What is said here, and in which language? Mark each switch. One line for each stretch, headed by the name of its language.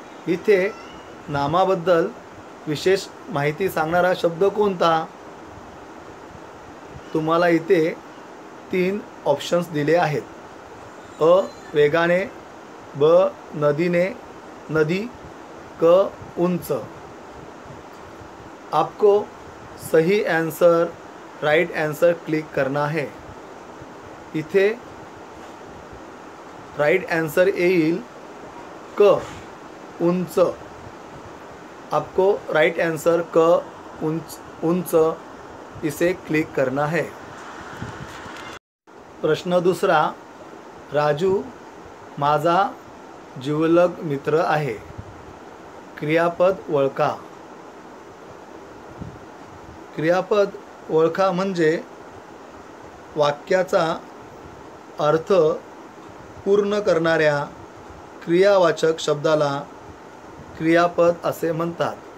Marathi: इथे नामाबद्दल विशेष माहिती सांगणारा शब्द कोणता? तुम्हाला इथे तीन ऑप्शन्स दिले आहेत, अ वेगाने, ब नदीने, नदी, क उंच।
Hindi: आपको सही आंसर राइट आंसर क्लिक करना है।
Marathi: इथे राइट आंसर येईल क उंच।
Hindi: आपको राइट आंसर क उंच इसे क्लिक करना है। प्रश्न दूसरा,
Marathi: राजू माझा जीवलग मित्र आहे, क्रियापद ओळखा। क्रियापद ओळखा म्हणजे वाक्याचा अर्थ पूर्ण करणाऱ्या क्रियावाचक शब्दाला क्रियापद असे म्हणतात।